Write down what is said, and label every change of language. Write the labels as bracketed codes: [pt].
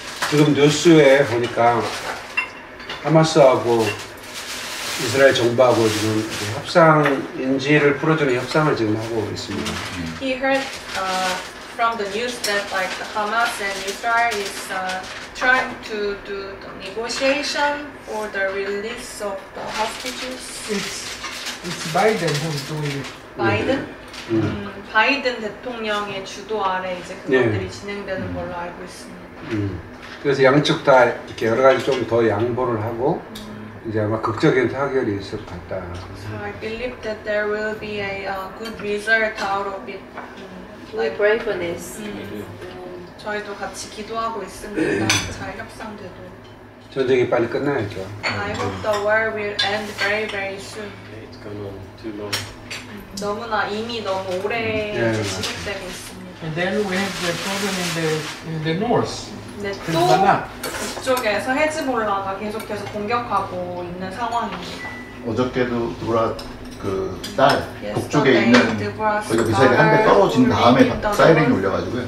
[ko] 지금 뉴스에 보니까 하마스하고 이스라엘 정부하고 지금 협상 인지를 풀어주는 협상을 지금 하고 있습니다. [en] He heard from the news that like the Hamas and Israel is trying to do the negotiation for the release of the hostages. It's Biden who's doing it. Biden? [ko] 바이든 대통령의 주도 아래 이제 그것들이 네. 진행되는 걸로 알고 있습니다. 그래서 양측 다 이렇게 여러 가지 좀 더 양보를 하고 이제 아마 극적인 타결이 있을 것 같다. [en] So I believe that there will be a good result out of it. We pray for this. [ko] 저희도 같이 기도하고 있습니다. 잘 협상돼도. 전쟁이 빨리 끝나야죠. [en] I hope the war will end very soon. It's gone on too long. [ko] 너무나 이미 너무 오래 지속되고 있습니다. [en] And then we have the problem in the north. [ko] 네, 또 북쪽에서 헤즈볼라가 계속해서 공격하고 있는 상황입니다. 어저께도 돌아 그 딸 북쪽에 있는 거기 미사일이 한 대 떨어진 다음에 사이렌이 울려가지고요.